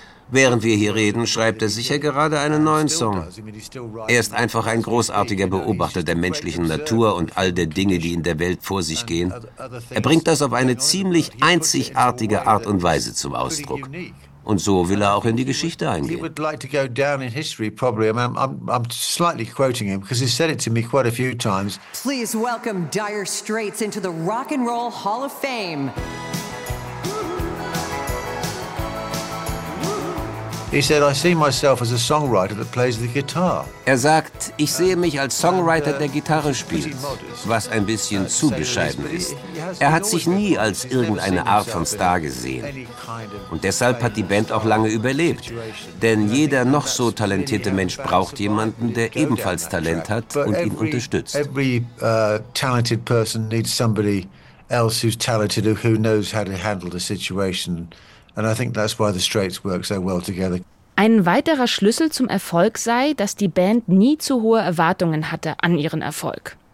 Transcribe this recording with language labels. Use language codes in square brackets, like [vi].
[de] Während wir hier reden, schreibt er sicher gerade einen neuen Song. Er ist einfach ein großartiger Beobachter der menschlichen Natur und all der Dinge, die in der Welt vor sich gehen. Er bringt das auf eine ziemlich einzigartige Art und Weise zum Ausdruck. Und so will er auch in die Geschichte eingehen. [en] He would like to go down in history, probably. I'm slightly quoting him because he said it to me quite a few times. Please welcome Dire Straits into the Rock and Roll Hall of Fame. He said, "I see myself as a songwriter that plays the guitar." [de] Er sagt, ich sehe mich als Songwriter, der Gitarre spielt, was ein bisschen zu bescheiden ist. Er hat sich nie als irgendeine Art von Star gesehen. Und deshalb hat die Band auch lange überlebt. Denn jeder noch so talentierte Mensch braucht jemanden, der ebenfalls Talent hat und ihn unterstützt. [en] Every talented person needs somebody else who's talented, who knows how to handle the situation. And I think that's why the Straits work so well together. [de] Ein weiterer Schlüssel zum Erfolg sei, dass die Band nie zu hohe Erwartungen hatte an ihren Erfolg.